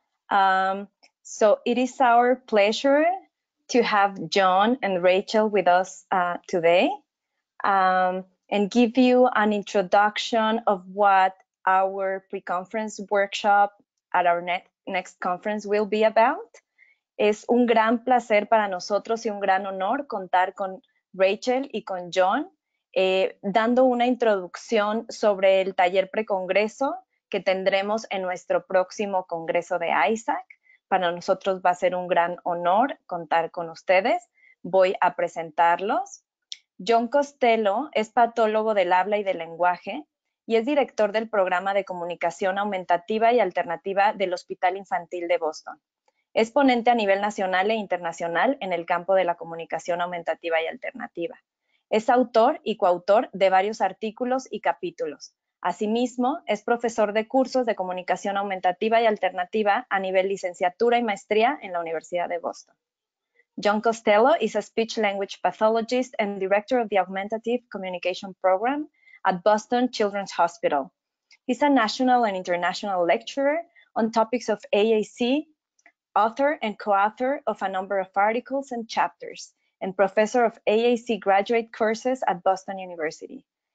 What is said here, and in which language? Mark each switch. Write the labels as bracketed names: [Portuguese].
[English] So it is our pleasure to have John and Rachel with us today. And give you an introduction of what our pre-conference workshop at our next conference will be about. [Spanish] Es un gran placer para nosotros y un gran honor contar con Rachel y con John, dando una introducción sobre el taller pre-congreso que tendremos en nuestro próximo congreso de ISAC. Para nosotros va a ser un gran honor contar con ustedes. Voy a presentarlos. John Costello es patólogo del habla y del lenguaje y es director del programa de comunicación aumentativa y alternativa del Hospital Infantil de Boston. Es ponente a nivel nacional e internacional en el campo de la comunicación aumentativa y alternativa. Es autor y coautor de varios artículos y capítulos. Asimismo, es profesor de cursos de comunicación aumentativa y alternativa a nivel licenciatura y maestría en la Universidad de Boston. [English] John Costello is a speech-language pathologist and director of the Augmentative Communication Program at Boston Children's Hospital. He's a national and international lecturer on topics of AAC, author and co-author of a number of articles and chapters, and professor of AAC graduate courses at Boston University.